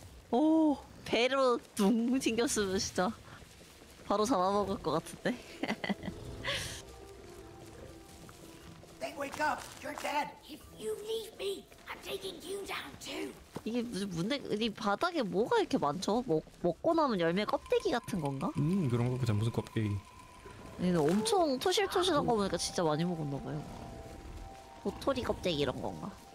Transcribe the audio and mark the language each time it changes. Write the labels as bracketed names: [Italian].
[Korean] 오, 배로 둥 튕겼으면 진짜 바로 잡아먹을 것 같은데. [English] Wake up! You're dead. If you leave me, I'm taking you down too. [Korean] 이게 무슨 문득 이 바닥에 뭐가 이렇게 많죠? 먹고 남은 열매 껍데기 같은 건가? 그런 거 그냥 무슨 껍데기. 얘는 엄청 토실토실한 거 보니까 진짜 많이 먹었나 봐요. 도토리 껍데기 이런 건가?